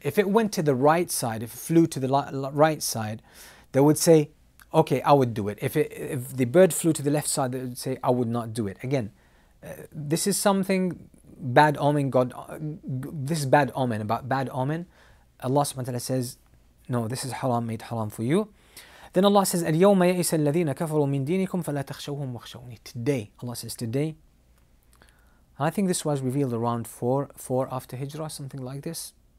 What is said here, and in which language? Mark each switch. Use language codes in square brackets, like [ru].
[en] If it went to the right side, if it flew to the right side, they would say, okay, I would do it. If the bird flew to the left side, they would say, I would not do it. Again, this is something bad omen. This is bad omen about bad omen. Allah subhanahu wa ta'ala says, no, this is haram, made haram for you. Then Allah says, [ar] الْيَوْمَ يَئِسَ الَّذِينَ كَفَرُوا مِن دِينِكُمْ فَلَا تَخْشَوْهُمْ وَخْشَوْنِي. [en] Today, Allah says, today. I think this was revealed around 4 after Hijrah, something like this.